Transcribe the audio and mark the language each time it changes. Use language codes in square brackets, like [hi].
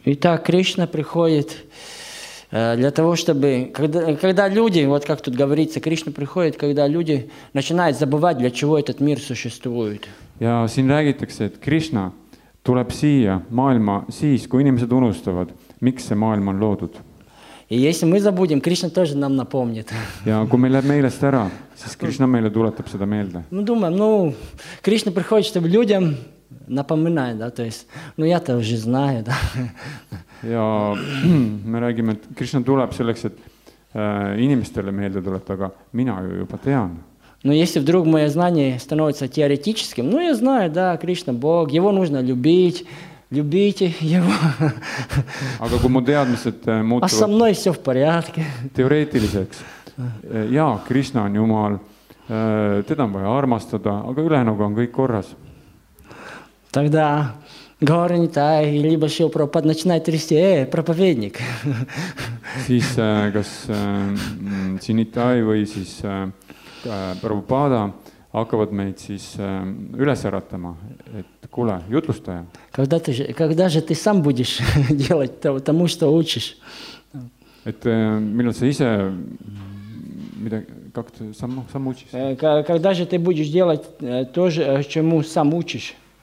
[ru] Итак, Кришна приходит для того, чтобы когда люди, вот как тут говорится, Кришна приходит, когда люди начинают забывать, для чего этот мир существует. [et] Ja siin räägitakse, et Кришна tuleb siia maailma siis, kui inimesed unustavad, miks see maailm on loodud. [ru] И если мы забудем, Кришна тоже нам напомнит. [et] Ja kui meil läheb meelest ära, siis Кришна meile tuletab seda meelde. [ru] Ну, думаем, ну, Кришна приходит, чтобы людям напоминает, да, то есть, ну, я-то уже знаю, да. [et] Ja me räägime, et Krishna tuleb selleks, et inimestele meelde tuleb, aga mina ju juba tean. [ru] No если вдруг мое знание становится теоретическим, ну я знаю, да, Krishna Бог, его нужно любите его. [et] Aga kui mu teadmised muutuvad... [ru] А со мной все в порядке. [et] Teoreetiliseks. Jaa, Krishna on Jumal, teda on vaja armastada, aga ülejäänuga on kõik korras. [ru] Тогда... Говори не так, либо Шрила Прабхупада начинает трясти, проповедник. [et] Siis kas Чинитай või siis Прабхупада hakkavad meid siis üles äratama, et kuule, jutlustaja. [ru] Когда же ты сам будешь делать тому, что учишь? [et] Et millal sa ise midagi, [ru] как ты сам учишь? Когда же ты будешь делать то же, чему сам учишь?